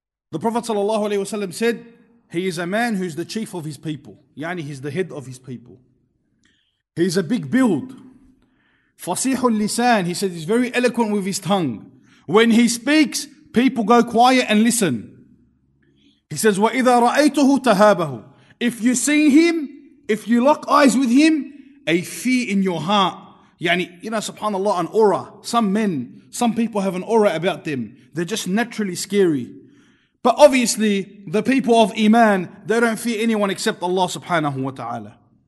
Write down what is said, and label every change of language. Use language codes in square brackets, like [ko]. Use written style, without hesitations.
[en] The Prophet sallallahu alaihi wasallam said, he is a man who's the chief of his people. Yani, he's the head of his people. He's a big build. Fasihul lisan, he said, he's very eloquent with his tongue. When he speaks, people go quiet and listen. He says, [ar] وَإِذَا رَأَيْتُهُ تَهَابَهُ. [en] If you see him, if you lock eyes with him, a fear in your heart. Yani, you know, subhanAllah, an aura. Some men, some people have an aura about them. They're just naturally scary. But obviously, the people of Iman, they don't fear anyone except Allah subhanahu wa ta'ala.